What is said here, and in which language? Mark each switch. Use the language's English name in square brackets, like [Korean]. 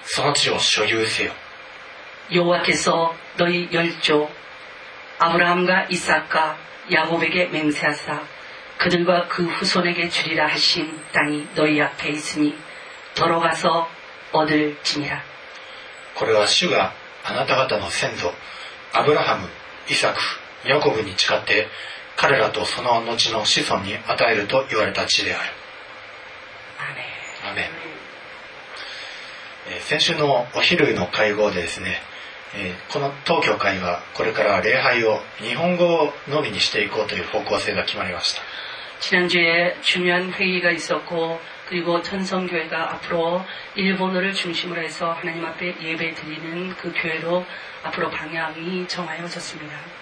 [Korean] 큰강유브라데까지가라하셨나니. [Japanese] 見よ、私はその地をあなた方の手に渡している。行け、その地を所有せよ。 [Korean] 여호와께서 너희 열조 아브라함과 이삭과 야곱에게 맹세하사 그들과 그 후손에게 주리라 하신 땅이 너희 앞에 있으니 돌아가서 얻을지니라. [Japanese] これは主があなた方の先祖 아브라함 イサク、ヤコブに誓って彼らとその後の子孫に与えると言われた地である。アメン。先週のお昼の会合でですね、この東教会はこれから礼拝を日本語のみにしていこうという方向性が決まりました。 [Korean] 지난주에 중요한 회의가 있었고 그리고 천성교회가 앞으로 일본어를 중심으로 해서 하나님 앞에 예배 드리는 그 교회로 앞으로 방향이 정하여졌습니다.